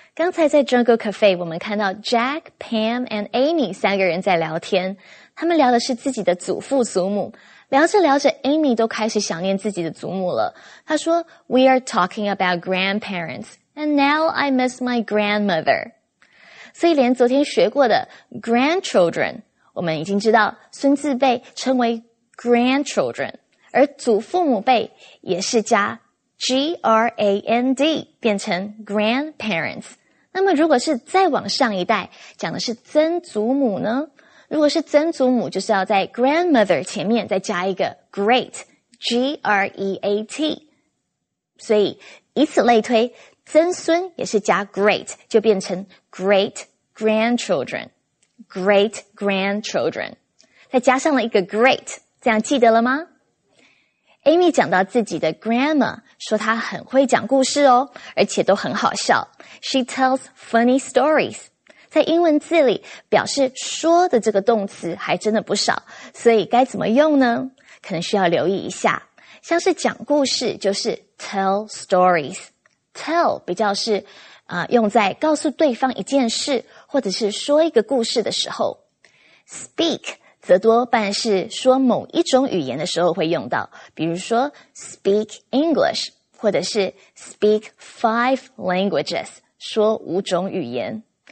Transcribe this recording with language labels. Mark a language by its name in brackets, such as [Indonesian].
[Chinese] 刚才在 Jungle Cafe, 我们看到 Jack, Pam, and Amy 三个人在聊天。他们聊的是自己的祖父祖母。聊着聊着 ,Amy 都开始想念自己的祖母了。她说 [English] ,We are talking about grandparents, and now I miss my grandmother. [Chinese] 所以连昨天学过的 grandchildren, 我们已经知道孙子辈称为 grandchildren, 而祖父母辈也是加 grand, 变成 grandparents。那么如果是再往上一代讲的是曾祖母呢，如果是曾祖母，就是要在 grandmother 前面再加一个 great, G-R-E-A-T. 所以以此类推，曾孙也是加 great, 就变成 great grandchildren, great grandchildren. 再加上了一个 great, 这样记得了吗？Amy 讲到自己的 grandma, 说她很会讲故事哦，而且都很好笑。 [English] She tells funny stories. [Chinese] 在英文字里表示说的这个动词还真的不少，所以该怎么用呢？可能需要留意一下。像是讲故事就是 tell stories， tell 比较是用在告诉对方一件事或者是说一个故事的时候， speak 则多半是说某一种语言的时候会用到，比如说 [English] speak English [Chinese] 或者是 [English] speak 5 languages， [Chinese] 说五种语言。